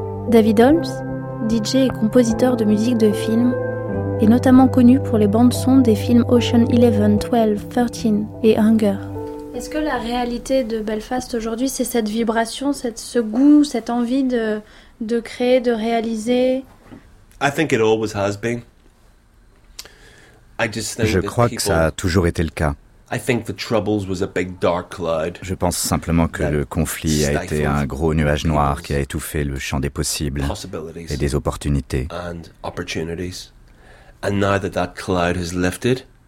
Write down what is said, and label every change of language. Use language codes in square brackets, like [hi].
[fr] David Holmes, DJ et compositeur de musique de film, est notamment connu pour les bandes-son des films Ocean 11, 12, 13 et Hunger. Est-ce que la réalité de Belfast aujourd'hui, c'est cette vibration, ce goût, cette envie de créer, de réaliser? [en] I think it always has been. I just think [fr] Je crois que ça a toujours été le cas. [en] I think the troubles was a big dark cloud. [fr] Je pense simplement que le conflit a été un gros nuage noir qui a étouffé le champ des possibles et des opportunités. [en] And opportunities. And now that cloud has lifted,